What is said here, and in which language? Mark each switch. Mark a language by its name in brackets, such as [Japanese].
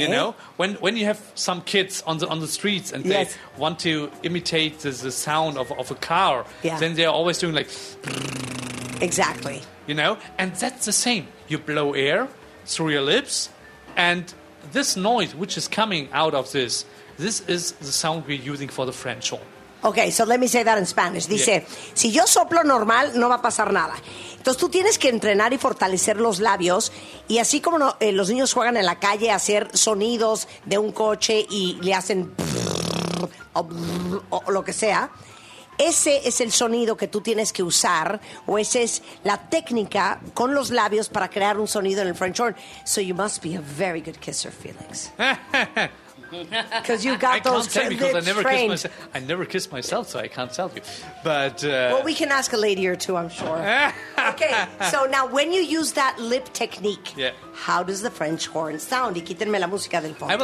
[English] You know, when you have some kids on the streets and they want to imitate the sound of a car, then they're always doing like... Exactly. You know, and that's the same. You blow air through your lips, and this noise which is coming out of this is the sound we're using for the French horn. Okay, so let me say that in Spanish. [Spanish] Dice, si yo soplo normal, no va a pasar nada. Entonces tú tienes que entrenar y fortalecer los labios, y así como los niños juegan en la calle a hacer sonidos de un coche y le hacen o lo que sea, ese es el sonido que tú tienes que usar, o esa es la técnica con los labios para crear un sonido en el French horn. [English] So you must be a very good kisser, Felix. Because you got those lips trained. I can't say because I never kissed myself, so I can't tell you. But well, we can ask a lady or two, I'm sure. Okay, so now when you use that lip technique, how does the French horn sound? [Spanish] Y quítenme la música del fondo.